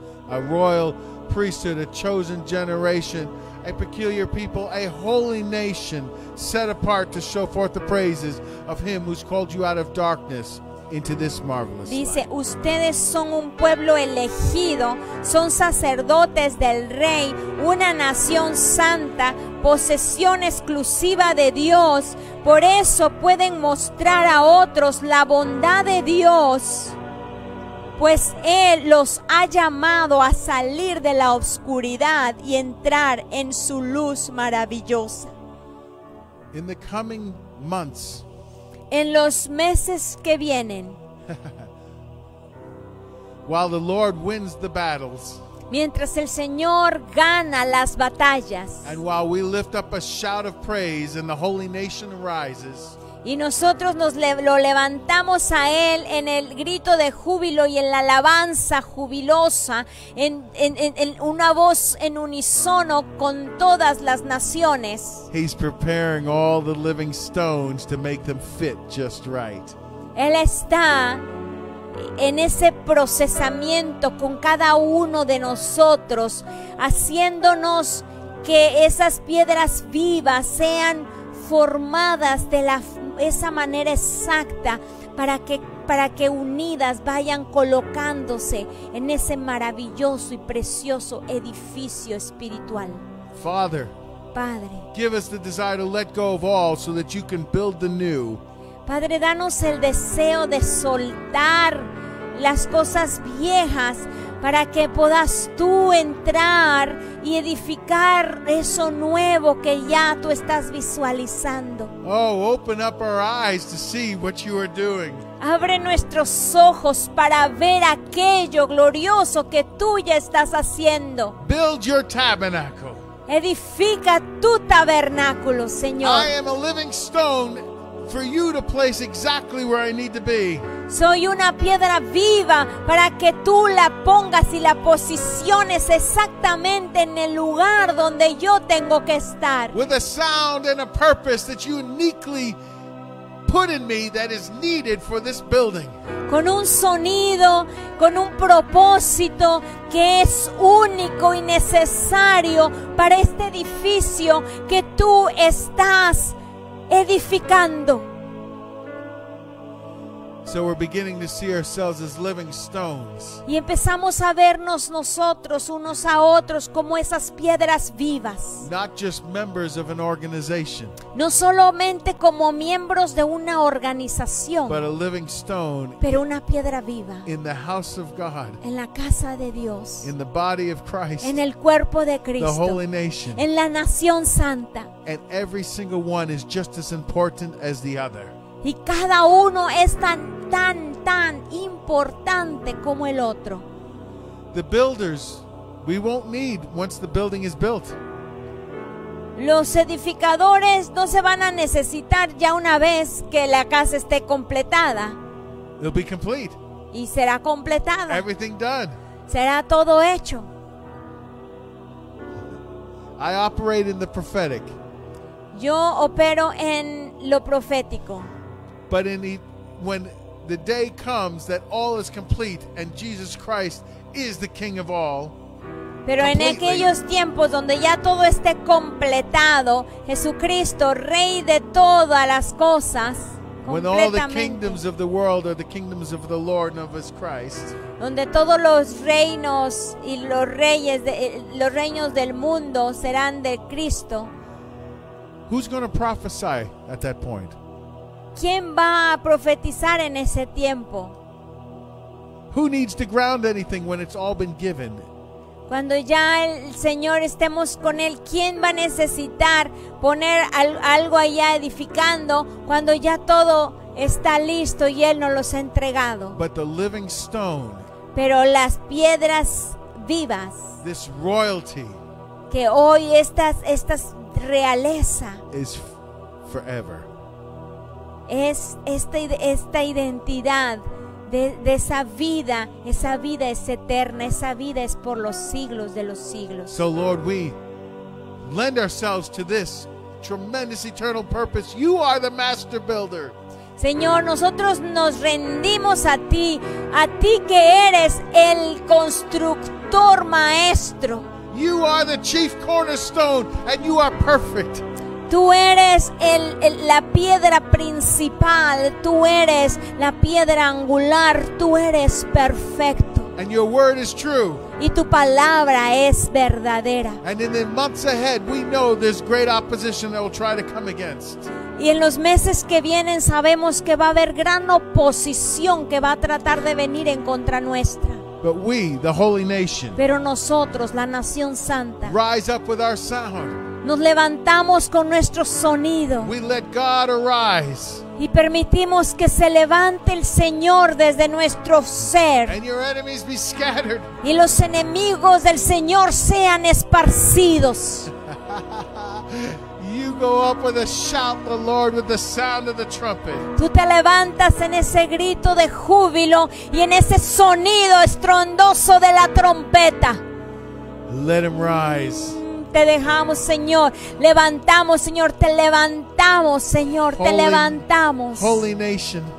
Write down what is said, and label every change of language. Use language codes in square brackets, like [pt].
[en] a royal priesthood, a chosen generation, a peculiar people, a holy nation, set apart to show forth the praises of him who's called you out of darkness into this marvelous [es] dice, [en] light. [es] Ustedes son un pueblo elegido, son sacerdotes del rey, una nación santa, posesión exclusiva de Dios. Por eso pueden mostrar a otros la bondad de Dios, pues Él los ha llamado a salir de la oscuridad y entrar en su luz maravillosa. [en] In the coming months, [es] en los meses que vienen, [en] while the Lord wins the battles, [es] mientras el Señor gana las batallas, [en] and while we lift up a shout of praise and the holy nation arises, [es] y nosotros lo levantamos a Él en el grito de júbilo y en la alabanza jubilosa, en una voz en unísono con todas las naciones. [en] He's preparing all the living stones to make them fit just right. [es] Él está en ese procesamiento con cada uno de nosotros, haciéndonos que esas piedras vivas sean formadas de la esa manera exacta para que unidas vayan colocándose en ese maravilloso y precioso edificio espiritual. [en] Father, [es] Padre, [en] give us the desire to let go of all so that you can build the new. [es] Padre, danos el deseo de soltar las cosas viejas para que puedas tú entrar y edificar eso nuevo que ya tú estás visualizando. [en] Oh, open up our eyes to see what you are doing. [es] Abre nuestros ojos para ver aquello glorioso que tú ya estás haciendo. [en] Build your tabernacle. [es] Edifica tu tabernáculo, Señor. [en] I am a living stone for you to place exactly where I need to be. [es] Soy una piedra viva para que tú la pongas y la posiciones exactamente en el lugar donde yo tengo que estar. [en] With a sound and a purpose that you uniquely put in me that is needed for this building. [es] Con un sonido, con un propósito que es único y necesario para este edificio que tú estás edificando. [en] So we're beginning to see ourselves as living stones. [es] Y empezamos a vernos nosotros unos a otros como esas piedras vivas. [en] Not just members of an organization. [es] No solamente como miembros de una organización. [en] But a living stone. [es] Pero una piedra viva. [en] In the house of God. [es] En la casa de Dios. [en] In the body of Christ. [es] En el cuerpo de Cristo. [en] The holy nation. [es] En la nación santa. [en] And every single one is just as important as the other. [es] Y cada uno es tan importante como el otro. [en] The builders, we won't need once the building is built. [es] Los edificadores no se van a necesitar ya una vez que la casa esté completada. [en] It'll be complete. [es] Y será completada. [en] Everything done. [es] Será todo hecho. [en] I operate in the prophetic. [es] Yo opero en lo profético. [en] But when the day comes that all is complete and Jesus Christ is the King of all, [es] pero en aquellos tiempos donde ya todo esté completado, Jesucristo, Rey de todas las cosas, completamente. [en] When all the kingdoms of the world are the kingdoms of the Lord and of His Christ, [es] donde todos los reinos y los reyes de los reinos del mundo serán de Cristo. [en] Who's going to prophesy at that point? [es] ¿Quién va a profetizar en ese tiempo? [en] Who needs to ground anything when it's all been given? [es] Cuando ya el Señor estemos con Él, ¿quién va a necesitar poner algo allá edificando cuando ya todo está listo y Él nos los ha entregado? [en] But the living stone, [es] pero las piedras vivas, [en] this royalty, [es] que hoy estas realeza, [en] is forever. [es] Es esta identidad de esa vida es eterna, esa vida es por los siglos de los siglos. [en] So Lord, we lend ourselves to this tremendous eternal purpose. You are the master builder. [es] Señor, nosotros nos rendimos a ti que eres el constructor maestro. [en] You are the chief cornerstone and you are perfect. [es] Tú eres la piedra principal, tú eres la piedra angular, tú eres perfecto. [en] And your word is true. [es] Y tu palabra es verdadera. [en] And in the months ahead, we know there's great opposition that will try to come against. [es] Y en los meses que vienen sabemos que va a haber gran oposición que va a tratar de venir en contra nuestra. [en] But we, the holy nation, [es] pero nosotros, la nación santa, [en] rise up with our sound. [es] Nos levantamos con nuestro sonido. [en] We let God arise. [es] Y permitimos que se levante el Señor desde nuestro ser. [en] And your enemies be scattered. [es] Y los enemigos del Señor sean esparcidos. [en] You go up with a shout of the Lord with the sound of the trumpet. [es] Tú te levantas en ese grito de júbilo y en ese sonido estrondoso de la trompeta. [en] Let him rise. [es] Te dejamos, Señor. Levantamos, Señor. Te levantamos, Señor. [en] Holy, [es] te levantamos. [en] Holy nation.